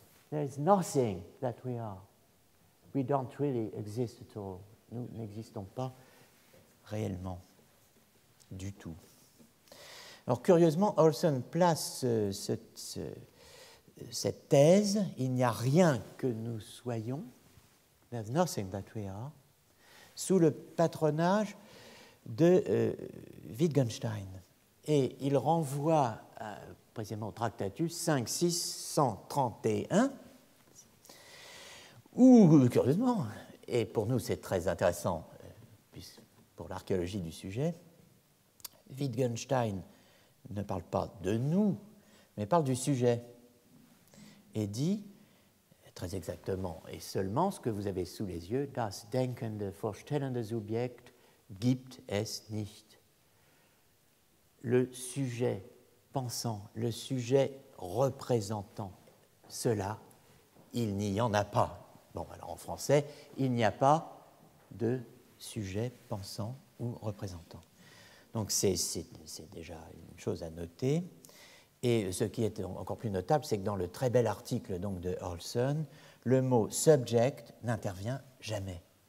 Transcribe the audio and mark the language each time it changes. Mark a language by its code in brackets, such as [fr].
[en] There is nothing that we are. We don't really exist at all. [fr] Nous n'existons pas réellement, du tout. Alors, curieusement, Olson place cette thèse, il n'y a rien que nous soyons. [en] There is nothing that we are. [fr] Sous le patronage de Wittgenstein. Et il renvoie précisément au Tractatus 5631, où, curieusement, et pour nous c'est très intéressant, pour l'archéologie du sujet, Wittgenstein ne parle pas de nous, mais parle du sujet, et dit, très exactement et seulement ce que vous avez sous les yeux, [de] das denkende, vorstellende Subjekt gibt es nicht. [fr] Le sujet pensant, le sujet représentant cela, il n'y en a pas. Bon, alors en français, il n'y a pas de sujet pensant ou représentant. Donc c'est déjà une chose à noter. Et ce qui est encore plus notable, c'est que dans le très bel article donc, de Olson, le mot « subject » n'intervient jamais.